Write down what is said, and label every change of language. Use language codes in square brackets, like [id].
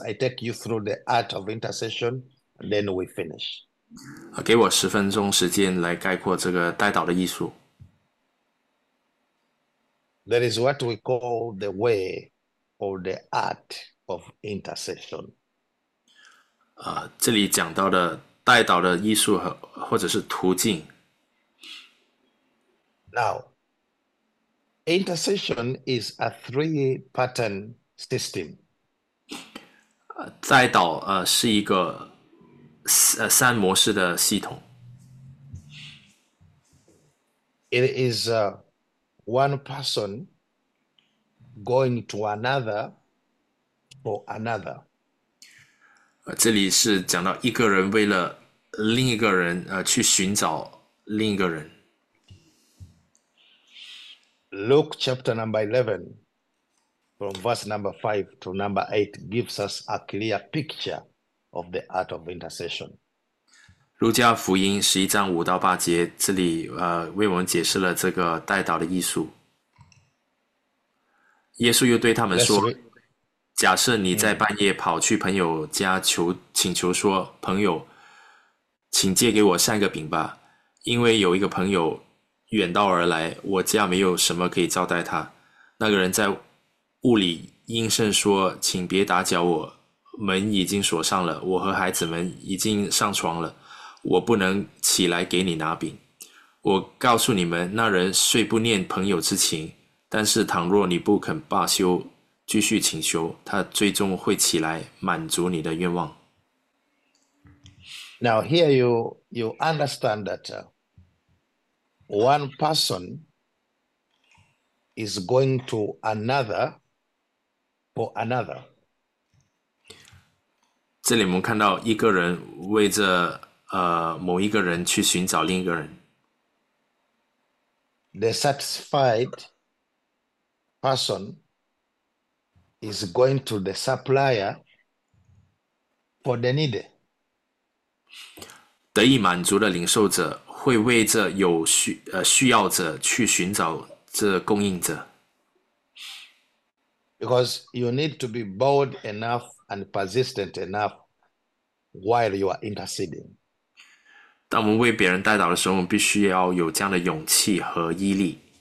[en] I take you through the art of intercession, and then we finish. [zh] 给我10分钟时间来概括这个代祷的艺术。 [en] That is what we call the way or the art of intercession. [zh] 这里讲到的代祷的艺术和或者是途径。 [en] Now, intercession is a three-pattern system. [zh] 代祷是一个3模式的系统。 [en] It is one person going to another for another. [zh] 这里是讲到一个人为了另一个人去寻找另一个人。 [en] Luke chapter number 11, from verse number 5 to number 8, gives us a clear picture of the art of intercession. [zh] 路加福音11章5到8节，这里为我们解释了这个代祷的艺术。耶稣又对他们说。假设你在半夜跑去朋友家请求说，朋友，请借给我3个饼吧，因为有一个朋友远道而来，我家没有什么可以招待他。那个人在屋里应声说，请别打搅我，门已经锁上了，我和孩子们已经上床了，我不能起来给你拿饼。我告诉你们，那人虽不念朋友之情，但是倘若你不肯罢休，继续请求，他最终会起来满足你的愿望。 [en] Now here you understand that one person is going to another for another. [zh] 这里我们看到一个人为着某一个人去寻找另一个人。 [en] The satisfied person is going to the supplier for the needy. [zh] 得以满足的领受者会为着有需要者去寻找这供应者。 [en] Because you need to be bold enough and persistent enough while you are interceding. [zh] 当我们为别人代祷的时候，我们必须要有这样的勇气和毅力。